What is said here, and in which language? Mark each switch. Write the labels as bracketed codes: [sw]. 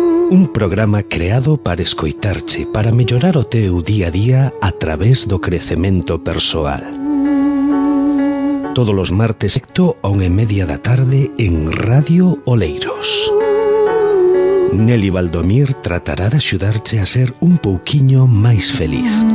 [gl] Un programa creado para escoitarche, para mellorar o teu día a día a través do crecemento persoal. [es] Todos los martes, secto a 1:30 PM en Radio Oleiros. [gl] Nelly Baldomir tratará de axudarche a ser un pouquiño máis feliz.